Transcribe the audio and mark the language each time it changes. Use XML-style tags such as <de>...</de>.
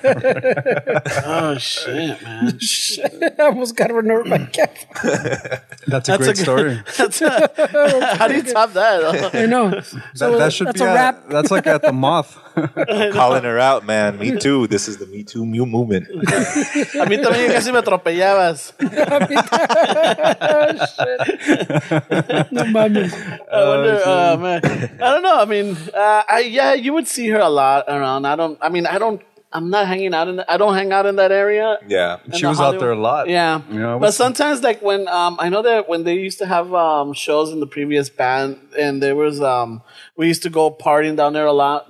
<en>hammer. Oh, shit, man. Shit. I almost got run over by Kevin. That's a great story. How do you top that? I know. That should be a wrap. That's like at the Moth. Calling her out, man. Me too. This is the Me Too Mew movement.</en> <es>A mí también casi me atropellabas.</es> <en>Oh, shit.</en> <es>No mames.</es> <en>I don't know. I mean, you would see her a lot around. I'm not hanging out in I don't hang out in that area. Yeah. She was out there a lot. Yeah. You know, but sometimes like when I know that when they used to have shows in the previous band and there was we used to go partying down there a lot.</en>